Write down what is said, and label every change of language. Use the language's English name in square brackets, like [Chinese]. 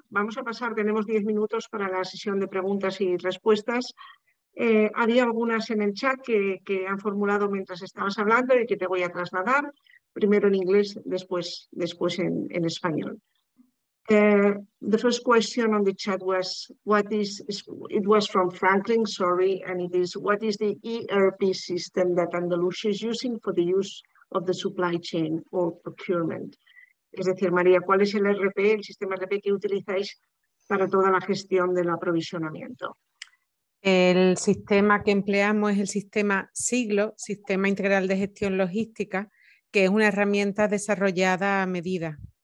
[Spanish] Vamos a pasar, tenemos 10 minutos para la sesión de preguntas y respuestas. Había algunas en el chat que han formulado mientras estabas hablando y que te voy a trasladar. Primero en inglés, después en español. [English] The first question on the chat was, what is the ERP system that Andalusia is using for the use of the supply chain or procurement? [Spanish] Es decir, María, ¿cuál es el ERP, el sistema ERP que utilizáis para toda la gestión del aprovisionamiento? El sistema que empleamos es el sistema SIGLO, Sistema Integral de Gestión Logística, que es una herramienta desarrollada a medida.